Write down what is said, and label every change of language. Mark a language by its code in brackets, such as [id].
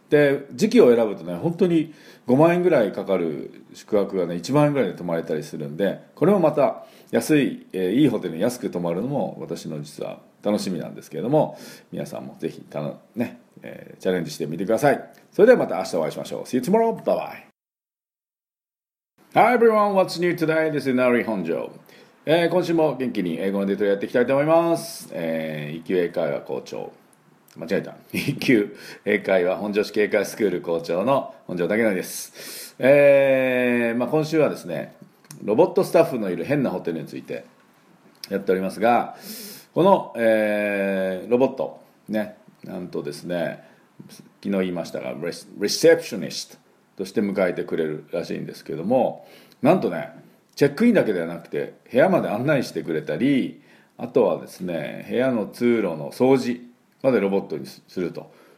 [ja] で時期を選ぶとね、本当に5万円ぐらいかかる宿泊がね、1万円ぐらいで泊まれたりするんで、これもまた安い、いいホテルに安く泊まるのも私の実は楽しみなんですけれども、皆さんもぜひね、チャレンジしてみてください。それではまた明日お会いしましょう。 [en] See you tomorrow, bye bye. Hi everyone, what's new today? This is Nari Honjo. [ja] 今週も元気に英語のデートやっていきたいと思います。一級英会話校長、間違えた、一級英会話本庄市英会スクール校長の本庄武典です。今週はですね、ロボットスタッフのいる変なホテルについてやっておりますが、この、ロボットね、なんとですね、昨日言いましたが、レセプショニストとして迎えてくれるらしいんですけども、なんとね、チェックインだけではなくて部屋まで案内してくれたり、あとはですね、部屋の通路の掃除までロボットにすると、